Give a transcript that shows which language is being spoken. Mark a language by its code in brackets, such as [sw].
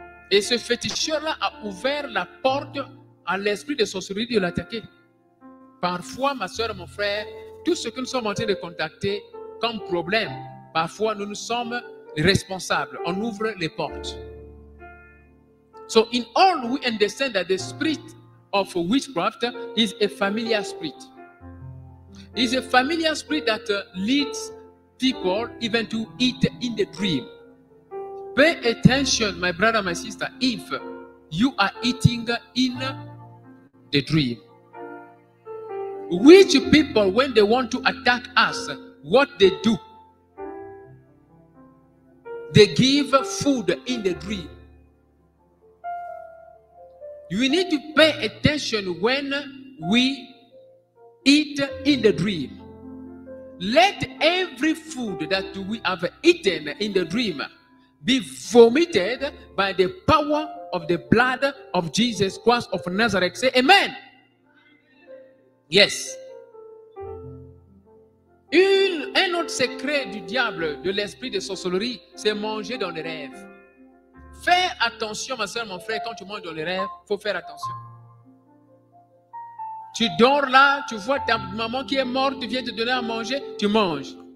[fr] Et ce féticheur-là a ouvert la porte à l'esprit de sorcellerie de l'attaquer. Parfois, ma soeur, mon frère, tout ce que nous sommes en train de contacter comme problème, parfois nous nous sommes responsables. On ouvre les portes. [en] So, in all, we understand that the spirit of witchcraft is a familiar spirit. It's a familiar spirit that leads people even to eat in the dream. Pay attention, my brother, my sister, if you are eating in the dream. Which people, when they want to attack us, what they do? They give food in the dream. You need to pay attention when we eat in the dream. Let every food that we have eaten in the dream be vomited by the power of the blood of Jesus Christ of Nazareth. Say amen. Yes. [fr] Un autre secret du diable, de l'esprit de sorcellerie, c'est manger dans les rêves. Fais attention, ma soeur, mon frère, quand tu manges dans les rêves, il faut faire attention. Tu dors là, tu vois ta maman qui est morte, tu viens te donner à manger, tu manges.